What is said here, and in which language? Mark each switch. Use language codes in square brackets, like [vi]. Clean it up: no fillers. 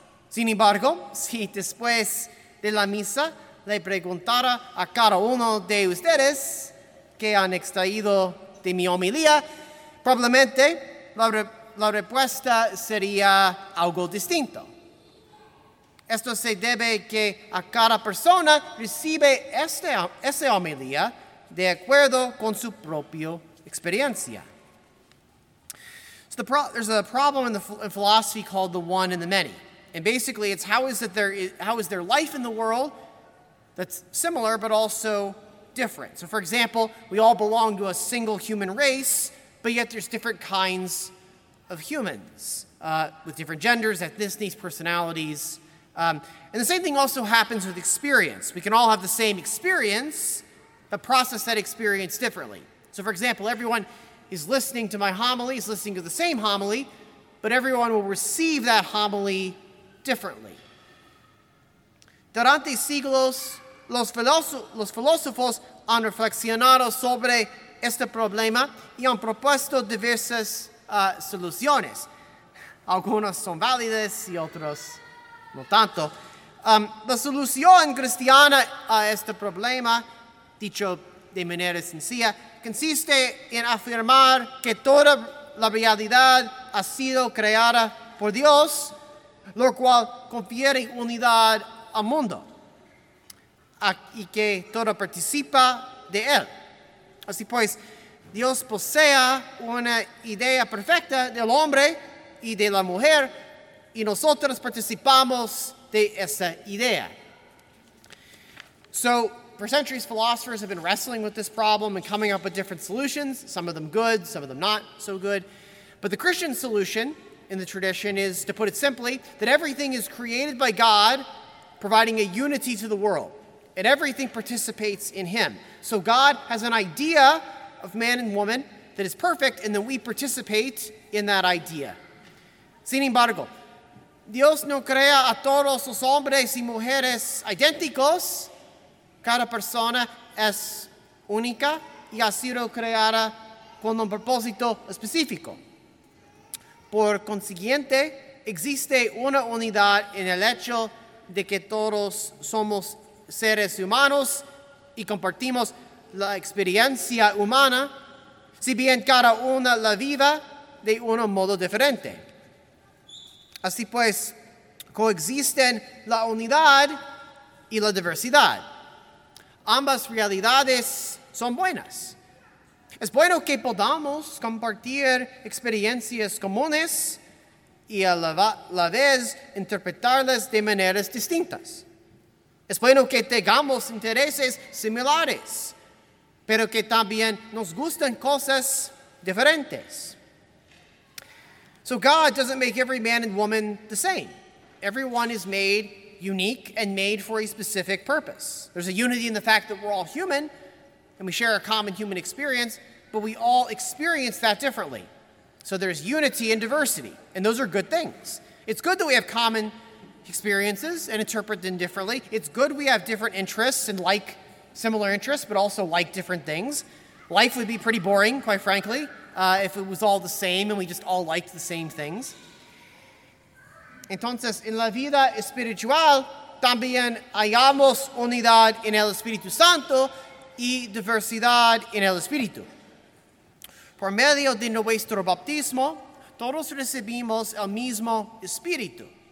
[es] Sin embargo, si después de la misa le preguntara a cada uno de ustedes qué han extraído de mi homilía, probablemente la respuesta sería algo distinto. Esto se debe que a cada persona recibe esa homilía de acuerdo con su propia experiencia. [en] There's a problem in philosophy called the one and the many. And basically, it's how is there life in the world that's similar but also different. So for example, we all belong to a single human race, but yet there's different kinds of humans with different genders, ethnicities, personalities. And the same thing also happens with experience. We can all have the same experience, but process that experience differently. So for example, everyone is listening to my homily, is listening to the same homily, but everyone will receive that homily differently. [es] Durante siglos, los filósofos han reflexionado sobre este problema y han propuesto diversas soluciones. Algunas son válidas y otras no tanto. La solución cristiana a este problema, dicho de manera sencilla, consiste en afirmar que toda la realidad ha sido creada por Dios, lo cual confiere unidad al mundo, y que todo participa de él. Así pues, Dios posee una idea perfecta del hombre y de la mujer, y nosotros participamos de esa idea. [en] So, for centuries, philosophers have been wrestling with this problem and coming up with different solutions, some of them good, some of them not so good. But the Christian solution in the tradition is, to put it simply, that everything is created by God, providing a unity to the world, and everything participates in Him. So God has an idea of man and woman that is perfect, and then we participate in that idea. [es] Sin embargo, Dios no crea a todos los hombres y mujeres idénticos. Cada persona es única y ha sido creada con un propósito específico. Por consiguiente, existe una unidad en el hecho de que todos somos seres humanos y compartimos la experiencia humana, si bien cada una la viva de un modo diferente. Así pues, coexisten la unidad y la diversidad. Ambas realidades son buenas. Es bueno que podamos compartir experiencias comunes y a la vez interpretarlas de maneras distintas. Es bueno que tengamos intereses similares, pero que también nos gusten cosas diferentes. [en] So God doesn't make every man and woman the same. Everyone is made unique and made for a specific purpose. There's a unity in the fact that we're all human and we share a common human experience, but we all experience that differently. So there's unity and diversity, and those are good things. It's good that we have common experiences and interpret them differently. It's good we have different interests and like similar interests, but also like different things. Life would be pretty boring, quite frankly, if it was all the same and we just all liked the same things. [es] Entonces, en la vida espiritual, también hayamos unidad en el Espíritu Santo y diversidad en el Espíritu. Por medio de nuestro bautismo, todos recibimos el mismo Espíritu.